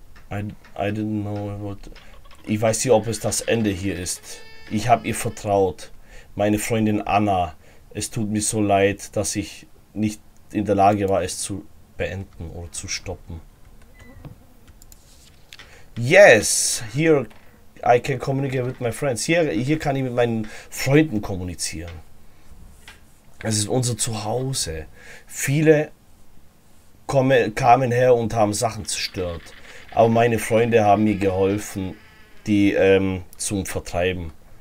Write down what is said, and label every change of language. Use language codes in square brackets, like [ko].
[en] I didn't know what. [de] Ich weiß nicht, ob es das Ende hier ist. Ich habe ihr vertraut. Meine Freundin Anna, es tut mir so leid, dass ich nicht in der Lage war, es zu beenden oder zu stoppen. [en] Yes, here I can communicate with my friends. [de] Hier kann ich mit meinen Freunden kommunizieren. Es ist unser Zuhause. Viele kamen her und haben Sachen zerstört. Aber meine Freunde haben mir geholfen, die zum Vertreiben.